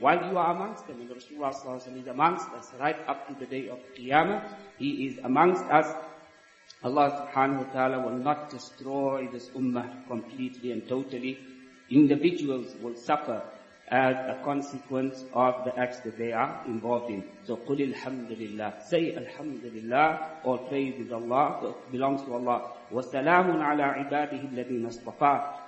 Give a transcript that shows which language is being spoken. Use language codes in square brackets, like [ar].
[en] While you are amongst them. And Rasulullah sallallahu alayhi wa sallam is amongst us right up to the day of Qiyamah. He is amongst us. Allah subhanahu wa ta'ala will not destroy this ummah completely and totally. Individuals will suffer as a consequence of the acts that they are involved in. So [ar] قل الحمد لله. [en] Say [ar] الحمد لله. [en] All praise is Allah, belongs to Allah. [ar] وسلام على عباده الذين اصطفى.